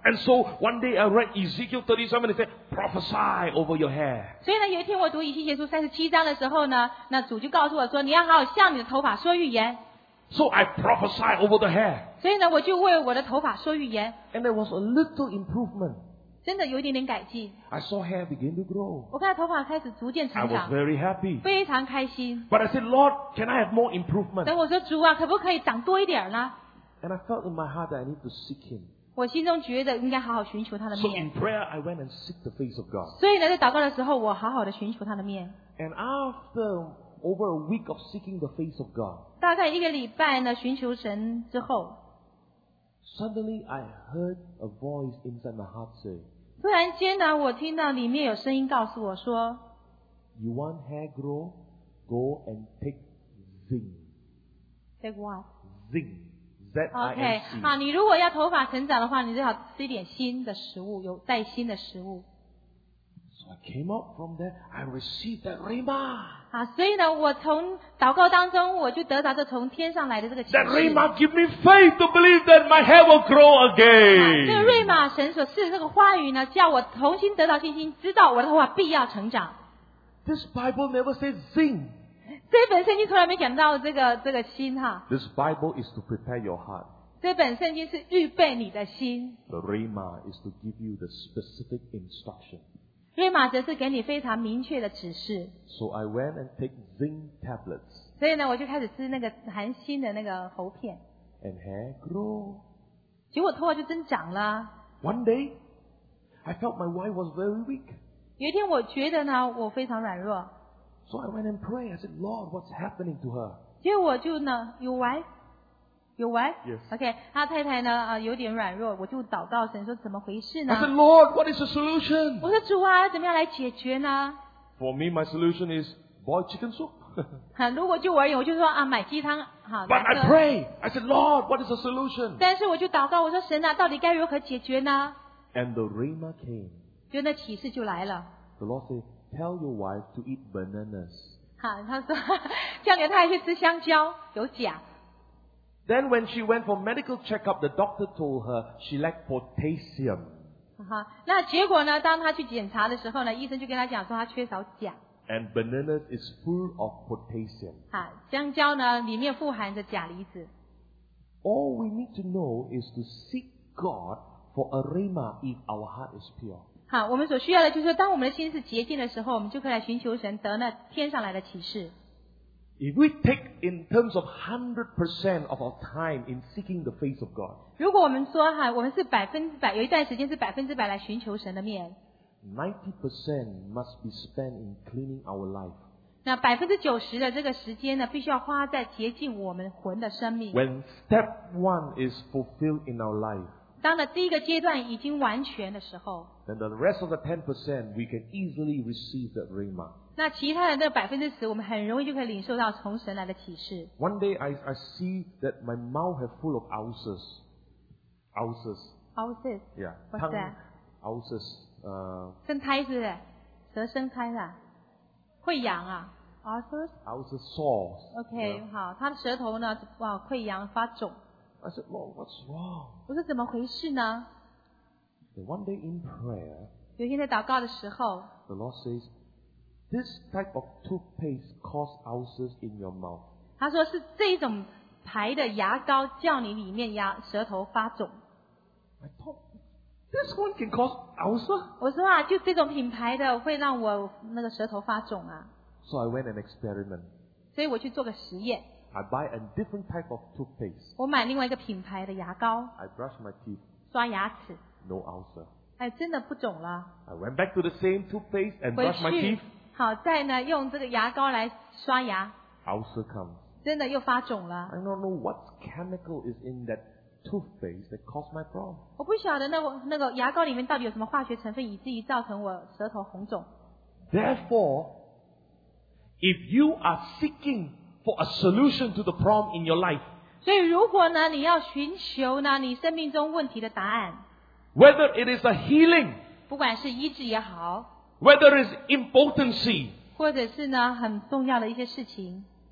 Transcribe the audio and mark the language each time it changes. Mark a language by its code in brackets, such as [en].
[en] And so one day I read Ezekiel 37 and it said prophesy over your hair [zh] 所以呢有一天我读以西结书37章的时候呢那主就告诉我说你要好好向你的头发说预言 [en] So I prophesy over the hair [zh] 所以呢我就为我的头发说预言 [en] And there was a little improvement [zh] 真的有一点点改进。 [en] I saw hair begin to grow. [zh] 我看到头发开始逐渐成长。 [en] I was very happy. [zh] 非常开心。 [en] But I said, Lord, can I have more improvement? [zh] 等我说主啊，可不可以长多一点呢 [en] ？And I felt in my heart that I need to seek Him. [zh] 我心中觉得应该好好寻求他的面。 [en] So in prayer, I went and seek the face of God. [zh] 所以呢，在祷告的时候，我好好的寻求他的面。 [en] And after over a week of seeking the face of God, [zh] 大概一个礼拜呢，寻求神之后 [en] ，Suddenly I heard a voice inside my heart say. [zh] 突然间呢，我听到里面有声音告诉我说 [en] ：“You want hair grow? Go and take zinc. Take what? Zinc. Z-I-N-C. Okay. [zh] 好，你如果要头发成长的话，你最好吃一点锌的食物，有带锌的食物。 [en] So I came up from there. I received that rhema. [zh] 好，所以呢，我从祷告当中，我就得到这从天上来的这个启示。 [en] That rhema give me faith to believe that my hair will grow again. [zh] 这个瑞玛神所赐的这个话语呢，叫我重新得到信心，知道我的头发必要成长。 [en] This Bible never says zinc. [zh] 这本圣经从来没讲到这个锌哈。 [en] This Bible is to prepare your heart. [zh] 这本圣经是预备你的心。 [en] The rhema is to give you the specific instruction. [zh] 瑞玛则是给你非常明确的指示。 [en] So I went and take zinc tablets. [zh] 所以呢，我就开始吃那个含锌的那个喉片。 [en] And hair grow. [zh] 结果头发就增长了。 [en] One day, I felt my wife was very weak. [zh] 有一天我觉得呢，我非常软弱。 [en] So I went and pray. I said, Lord, what's happening to her? [zh] 结果就呢 ， [en] Your wife, your wife. Yes. [zh] Okay, 他太太呢有点软弱，我就祷告神说怎么回事呢 [en] ？I said, Lord, what is the solution? [zh] 我说主啊，怎么样来解决呢 [en] ？For me, my solution is boil chicken soup. [zh] 如果就我而言，我就说啊，买鸡汤好。 [en] But I pray, I said, Lord, what is the solution? [zh] 但是我就祷告，我说神啊，到底该如何解决呢 [en] ？And the rhema came. [zh] 就那启示就来了。 [en] The Lord said, Tell your wife to eat bananas. [zh] 好，他说叫你太太去吃香蕉，有假。 [en] Then when she went for medical checkup, the doctor told her she lacked potassium. [zh] 那结果呢？当他去检查的时候呢，医生就跟他讲说他缺少钾。 [en] And bananas is full of potassium. [zh] 香蕉呢，里面富含着钾离子。 [en] All we need to know is to seek God for a rhema if our heart is pure. [zh] 我们所需要的就是当我们的心是洁净的时候，我们就可以来寻求神，得那天上来的启示。 [en] If we take in terms of 100% of our time in seeking the face of God, [zh] 如果我们说我们是百分之百，有一段时间是百分之百来寻求神的面。 [en] 90% must be spent in cleaning our life. [zh] 那90%的这个时间呢，必须要花在洁净我们魂的生命。 [en] When step one is fulfilled in our life, [zh] 当了第一个阶段已经完全的时候 [en] ，then the rest of the 10% we can easily receive that rhema. [zh] 那其他的那10%，我们很容易就可以领受到从神来的启示。 [en] One day I see that my mouth have full of ulcers. Ulcers. Ulcers. Yeah. What's that? Ulcers. [zh] 生胎是不是？蛇生胎的？溃疡啊 ？ [en] Ulcers. Ulcers sores. Okay, yeah. [zh] 好，他的舌头呢？哇，溃疡发肿。 [en] I said, Lord, what's wrong? [zh] 我说怎么回事呢 [en] ？The one day in prayer. [zh] 有一天在祷告的时候 [en] ，The Lord says. This type of toothpaste causes ulcers in your mouth. [zh] 他说是这种牌的牙膏叫你里面牙舌头发肿。 [en] I thought this one can cause ulcer. [zh] 我说啊，就这种品牌的会让我那个舌头发肿啊。 [en] So I went an experiment. [zh] 所以我去做个实验。 [en] I buy a different type of toothpaste. [zh] 我买另外一个品牌的牙膏。 [en] I brush my teeth. [zh] 刷牙齿。 [en] No ulcer. [zh] 哎，真的不肿了。 [en] I went back to the same toothpaste and brush my teeth. [zh] 好在呢，用这个牙膏来刷牙。 [en] Ulcer comes. [zh] 真的又发肿了。 [en] I don't know what chemical is in that toothpaste that caused my problem. [zh] 我不晓得那个牙膏里面到底有什么化学成分，以至于造成我舌头红肿。 [en] Therefore, if you are seeking for a solution to the problem in your life, [zh] 所以如果呢，你要寻求呢，你生命中问题的答案。 [en] Whether it is a healing, [zh] 不管是医治也好。 [en] Whether it's impotency, [zh] 或者是呢很重要的一些事情。